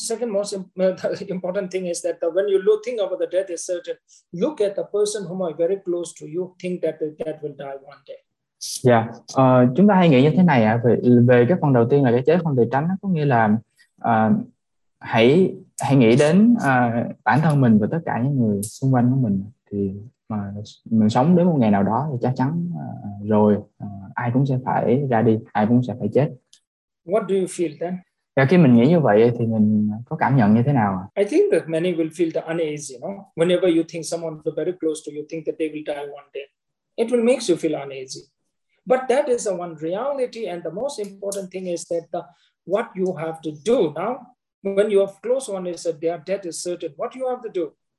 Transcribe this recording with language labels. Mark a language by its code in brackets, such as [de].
[en] Most important thing is that when you think about the death is certain, look at the person whom are very close to you, think that the dead will die one day. [vi] Yeah, chúng ta hay nghĩ như thế này ạ. Về cái phần đầu tiên là cái chết không thể tránh, có nghĩa là hãy nghĩ đến bản thân mình và tất cả những người xung quanh của mình, thì mà mình sống đến một ngày nào đó thì chắc chắn rồi ai cũng sẽ phải ra đi, ai cũng sẽ phải chết. [en] What do you feel then? [vi] Và khi mình nghĩ như vậy thì mình có cảm nhận như thế nào? [en] I think that many will feel the uneasy, you know? Whenever you think someone is very close to you, think that they will die one day, it will make you feel uneasy. But that is the one reality, and the most important thing is that what you have to do now, when you have close one is that their death is certain, what you have to do?